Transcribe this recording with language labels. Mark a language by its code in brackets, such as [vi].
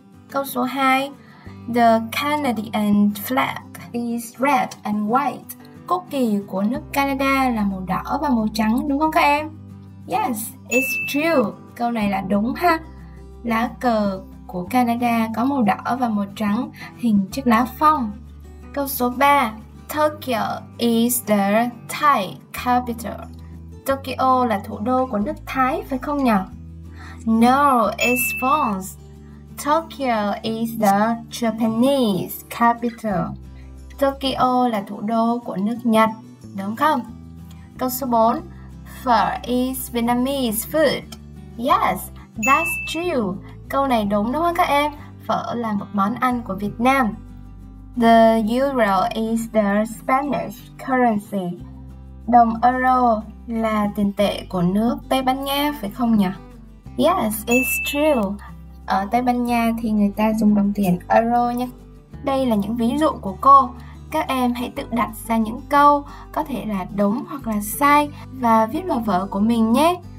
[vi] Câu số 2, [en] the Canadian flag is red and white. [vi] Quốc kỳ của nước Canada là màu đỏ và màu trắng đúng không các em? [en] Yes, it's true. [vi] Câu này là đúng ha. Lá cờ của Canada có màu đỏ và màu trắng, hình chiếc lá phong. Câu số 3, [en] Tokyo is the Thai capital. [vi] Tokyo là thủ đô của nước Thái, phải không nhỉ? [en] No, it's false. Tokyo is the Japanese capital. [vi] Tokyo là thủ đô của nước Nhật, đúng không? Câu số 4. [en] Phở is Vietnamese food. Yes, that's true. [vi] Câu này đúng đúng không các em? Phở là một món ăn của Việt Nam. [en] The euro is the Spanish currency. [vi] Đồng euro là tiền tệ của nước Tây Ban Nha, phải không nhỉ? [en] Yes, it's true. [vi] Ở Tây Ban Nha thì người ta dùng đồng tiền euro nhé. Đây là những ví dụ của cô. Các em hãy tự đặt ra những câu có thể là đúng hoặc là sai và viết vào vở của mình nhé.